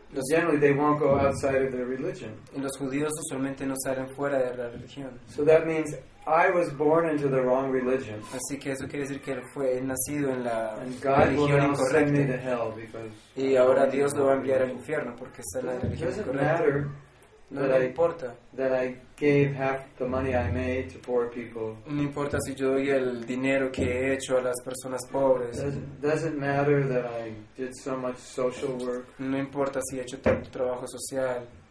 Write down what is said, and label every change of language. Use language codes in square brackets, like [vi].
[en] Generally, they won't go outside of their religion. [es] Y los judíos usualmente no salen fuera de la religión. [en] So that means I was born into the wrong religion. [es] Así que eso quiere decir que fue nacido en la religión incorrecta. [en] And God will now send me to hell because [es] y ahora Dios lo va a enviar al infierno porque está en la religión incorrecta. [en] Doesn't matter. [es] No le importa. [en] That I gave half the money I made to poor people. [es] No importa si yo doy el dinero que he hecho a las personas pobres. [en] Doesn't matter that I did so much social work. [es] No importa si he hecho tanto trabajo social.